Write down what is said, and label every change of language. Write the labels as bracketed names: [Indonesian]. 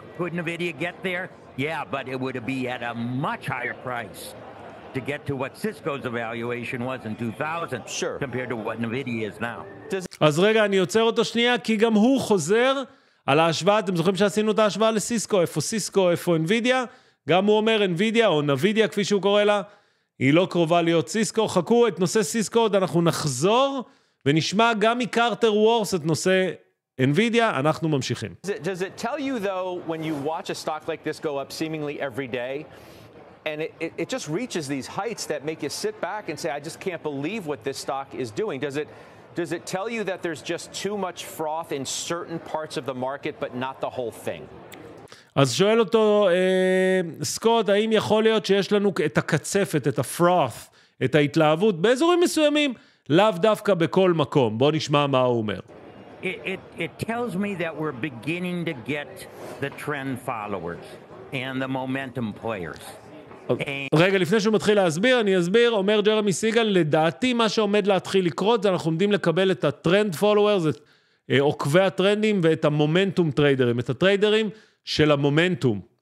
[English] Could NVIDIA get there? Yeah, but it would be at a much higher price to get to what Cisco's evaluation was in 2000. Sure. Compared to what NVIDIA is now. [Hebrew] אז רגע, אני עוצר אותו שנייה, כי גם הוא חוזר על ההשוואה. אתם זוכרים שעשינו את ההשוואה לסיסקו? איפה סיסקו, איפה NVIDIA? גם הוא אומר NVIDIA או NVIDIA, כפי שהוא קורא לה. היא לא קרובה להיות סיסקו, חכו את נושא סיסקו, עוד אנחנו נחזור ונשמע גם מקארטר וורס את נושא NVIDIA, אנחנו ממשיכים. [English] Does it tell you though when you watch a stock like this go up seemingly every day and it just reaches these heights that make you sit back and say I just can't believe what this stock is doing? Does it tell you that there's just too much froth in certain parts of the market but not the whole thing? [Hebrew] אז שואל אותו, סקוט, האם יכול להיות שיש לנו את הקצפת, את הפרוף, את ההתלהבות, באזורים מסוימים, לאו דווקא בכל מקום. בוא נשמע מה הוא אומר. [English] It tells me that we're beginning to get the trend followers and the momentum players. [Hebrew] רגע, לפני שהוא מתחיל להסביר, אני אסביר, אומר ג'רמי סיגל, לדעתי מה שעומד להתחיל לקרות, זה אנחנו עומדים לקבל את הטרנד פולוורס, את עוקבי הטרנדים ואת המומנטום טריידרים, את הטריידרים, של המומנטום.